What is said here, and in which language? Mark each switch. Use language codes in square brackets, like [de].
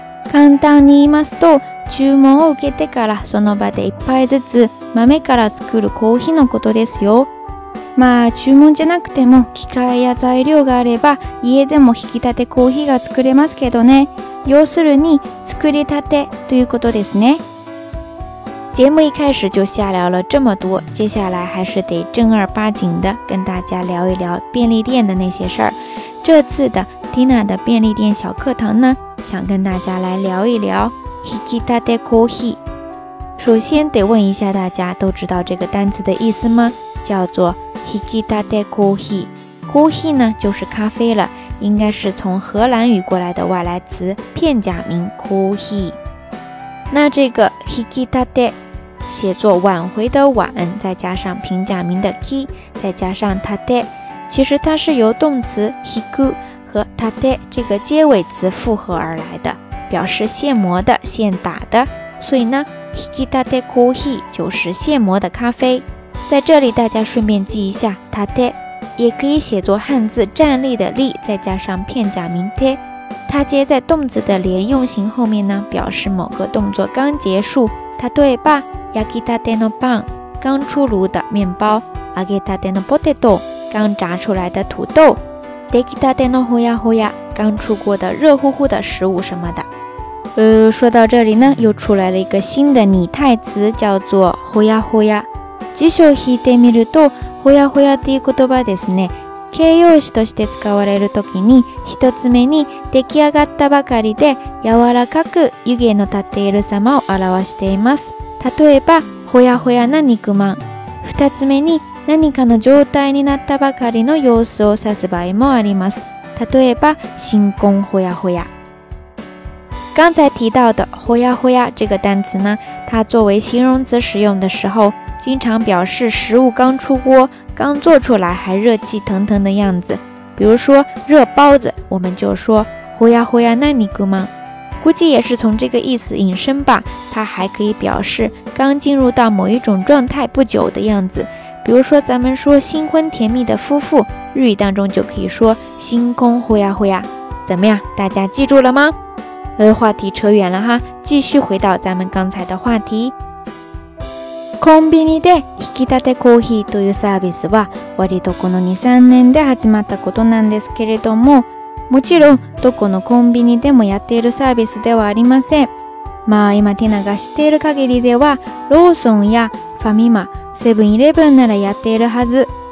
[ja] 簡単に言いますと、注文を受けてからその場で一杯ずつ豆から作るコーヒーのことですよ。まあ注文じゃなくても機械や材料があれば家でも引き立てコーヒーが作れますけどね。要するに作りたてということですね。 [zh] 节目一开始就瞎聊了这么多，接下来还是得正儿八经的跟大家聊一聊便利店的那些事儿。这次的 Tina 的便利店小课堂呢，想跟大家来聊一聊 Hikitate Kohi。首先得问一下大家，都知道这个单词的意思吗？叫做 Hikitate Kohi。 Kohi 呢就是咖啡了，应该是从荷兰语过来的外来词，片假名 Kohi。那这个 hikitate 写作挽回的挽，再加上平假名的 ki， 再加上 tate， 其实它是由动词 hiku 和 tate 这个结尾词复合而来的，表示现磨的、现打的。所以呢 hikitate kohi 就是现磨的咖啡。在这里大家顺便记一下， tate 也可以写作汉字站立的立，再加上片假名 te，它接在动词的连用型后面呢，表示某个动作刚结束。它对吧？ [ja] 焼きたてのパン， [zh] 刚出炉的面包。 [ja] 揚げたてのポテト， [zh] 刚炸出来的土豆。 [ja] できたてのほやほや， [zh] 刚出锅的热乎乎的食物什么的。说到这里呢，又出来了一个新的拟态词，叫做ほやほや。 [ja] 辞書を引いてみると、ほやほやっていう言葉ですね。形容詞として使われるときに、一つ目に出来上がったばかりで柔らかく湯気の立っている様を表しています。例えばほやほやな肉まん。二つ目に何かの状態になったばかりの様子を指す場合もあります。例えば新婚ほやほや。 [zh] 刚才提到的ほやほや这个单词呢，它作为形容词使用的时候，经常表示食物刚出锅，刚做出来还热气腾腾的样子。比如说热包子，我们就说 [ja] ほやほやな肉まん， [zh] 估计也是从这个意思引申吧。它还可以表示刚进入到某一种状态不久的样子。比如说咱们说新婚甜蜜的夫妇，日语当中就可以说 [ja] 新婚ほやほや。 [zh] 怎么样，大家记住了吗？话题扯远了哈，继续回到咱们刚才的话题。 [ja] コンビニで引き立てコーヒーというサービスは割とこの 2,3 年で始まったことなんですけれども、もちろんどこのコンビニでもやっているサービスではありません。まあ今ティナが知っている限りではローソンやファミマ、セブンイレブンならやっているはず。